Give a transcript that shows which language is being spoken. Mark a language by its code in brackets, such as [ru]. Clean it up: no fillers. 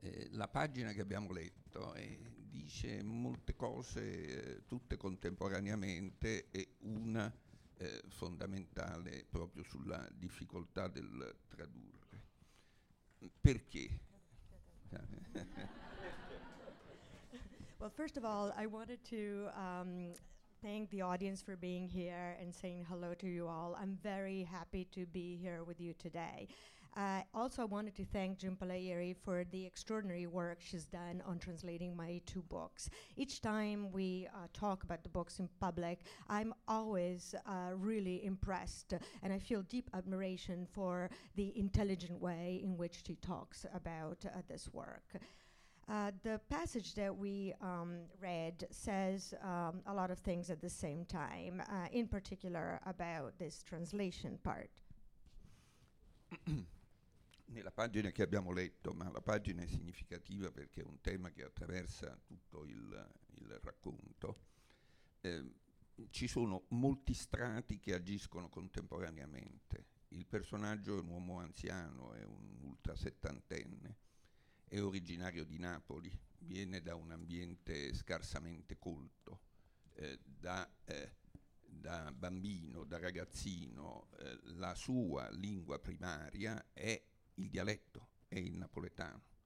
[it] La pagina che abbiamo letto dice molte cose tutte contemporaneamente e una fondamentale proprio sulla difficoltà del tradurre. Perché? [en] Well, first of all, I wanted to thank the audience for being here and saying hello to you all. I'm very happy to be here with you today. Also, I wanted to thank Jhumpa Lahiri for the extraordinary work she's done on translating my two books. Each time we talk about the books in public, I'm always really impressed, and I feel deep admiration for the intelligent way in which she talks about this work. The passage that we read says a lot of things at the same time, in particular about this translation part. [it] Nella pagina che abbiamo letto, ma la pagina è significativa perché è un tema che attraversa tutto il racconto, ci sono molti strati che agiscono contemporaneamente. Il personaggio è un uomo anziano, è un ultrasettantenne, è originario di Napoli, viene da un ambiente scarsamente colto, da bambino, da ragazzino, la sua lingua primaria è il dialetto, è il napoletano.